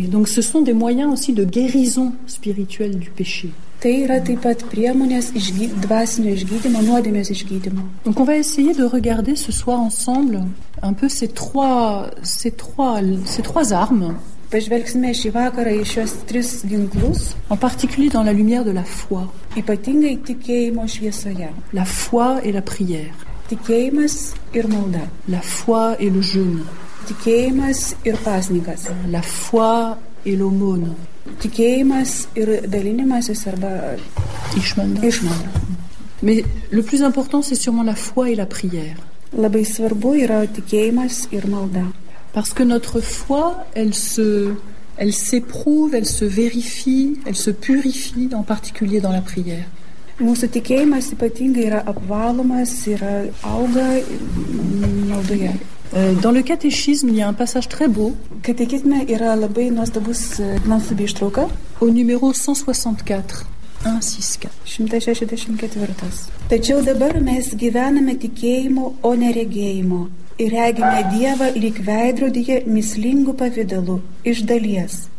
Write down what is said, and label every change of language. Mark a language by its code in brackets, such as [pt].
[fr] Donc ce sont des moyens aussi de guérison spirituelle du péché. [lt] Tai yra taip pat priemonės dvasinio išgydymo, nuodėmes išgydymo. [fr] Donc on va essayer de regarder ce soir ensemble un peu ces trois armes. [lt] Pažvelgsime šį vakarą į šios tris ginklus. [fr] En particulier dans la lumière de la foi. [lt] Ypatingai tikėjimo šviesoje. [fr] La foi et la prière. [lt] Tikėjimas ir malda. [fr] La foi et le jeûne. [lt] Tikėjimas ir pasninkas. [fr] La foi et l'aumône. [lt] Tikėjimas ir dalinimasis arba išmalda. [fr] Mais le plus important, c'est sûrement la foi et la prière. [lt] Labai svarbu yra tikėjimas ir malda. [fr] Parce que notre foi, elle s'éprouve, elle se vérifie, elle se purifie, en particulier dans la prière. [lt] Mūsų tikėjimas ypatingai yra apvalomas, yra auga maldoje. [fr] Dans le catéchisme, il y a un passage très beau. [lt] Katekizme yra labai nuostabus nuostabi ištrauka. [fr] Au numéro 164. [lt] 164. Tačiau dabar mes gyvename tikėjimu, o ne regėjimu. Ir regime Dievą lyg veidrodyje mislingų pavidalų, iš dalies.